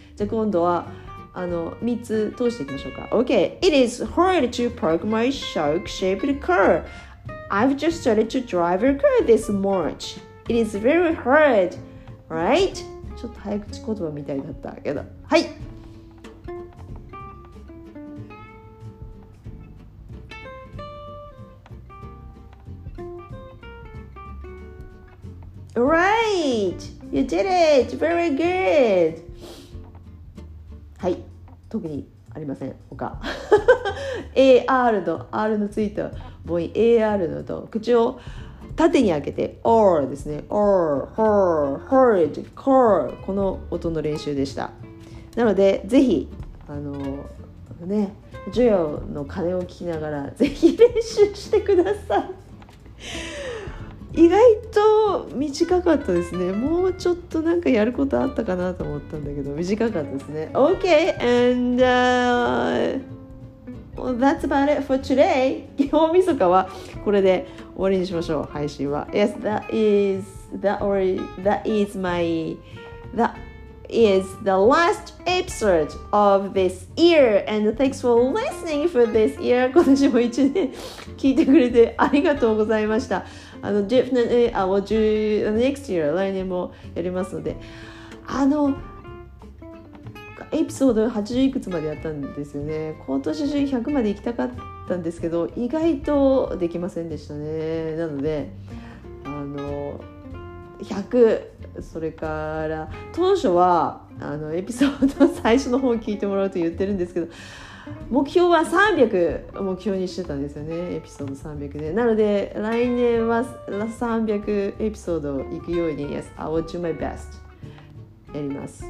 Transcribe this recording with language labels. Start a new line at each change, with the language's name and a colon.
Japanese: じゃあ今度はあの3つ通していきましょうか。
English: OK. It is hard to park my shark-shaped car. I've just started to drive a car this March. It is very hard, right?
Japanese: ちょっと早口言葉みたいだったけど、はい。
English: Right! You did it! Very good!
Japanese: 特にありません。他AR の R のついた母音 AR のと口を縦に開けて R ですね。 R HER HERD CAR この音の練習でした。なのでぜひあのね、ジョヨの鐘を聞きながらぜひ練習してください。意外と短かったですね。もうちょっとなんかやることあったかなと思ったんだけど短かったですね。
English: OK and well, that's about it for today.
Japanese: 大晦日はこれで終わりにしましょう、配信は。
English: Yes, that is the last episode of this year and thanks for listening for this year.
Japanese: 今年も一年聞いてくれてありがとうございました。
English: あの definitely I will do the next year.
Japanese: 来年もやりますので、あのエピソード80いくつまでやったんですよね。今年中100まで行きたかったんですけど意外とできませんでしたね。なのであの100、それから当初はあのエピソード最初の方聞いてもらうと言ってるんですけど、目標は300目標にしてたんですよね、エピソード300で。なので来年は300エピソード行くように、
English: Yes, I will do my best
Japanese: やります。